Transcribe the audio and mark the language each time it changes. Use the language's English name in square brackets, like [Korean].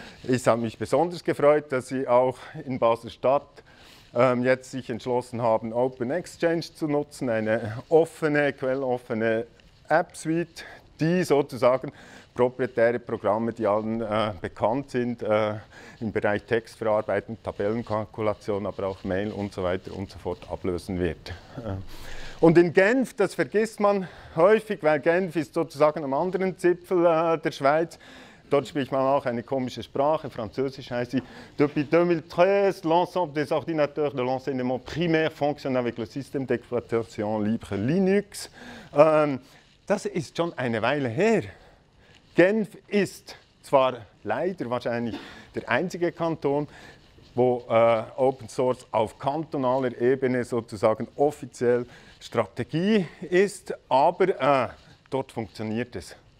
[German] Ich habe mich besonders gefreut, dass Sie auch in Basel-Stadt jetzt sich entschlossen haben, Open Exchange zu nutzen, eine offene, quelloffene App-Suite, die sozusagen proprietäre Programme, die allen bekannt sind, im Bereich Textverarbeitung, Tabellenkalkulation, aber auch Mail und so weiter und so fort ablösen wird. Und in Genf, das vergisst man häufig, weil Genf ist sozusagen am anderen Zipfel der Schweiz. Dort spricht man auch eine komische Sprache, Französisch heißt sie. [French] Depuis 2013, l'ensemble des ordinateurs de l'enseignement primaire fonctionne avec le système d'exploitation libre Linux. [German] Das ist schon eine Weile her. Genf ist zwar leider wahrscheinlich der einzige Kanton, wo Open Source auf kantonaler Ebene sozusagen offiziell Strategie ist, aber dort funktioniert es.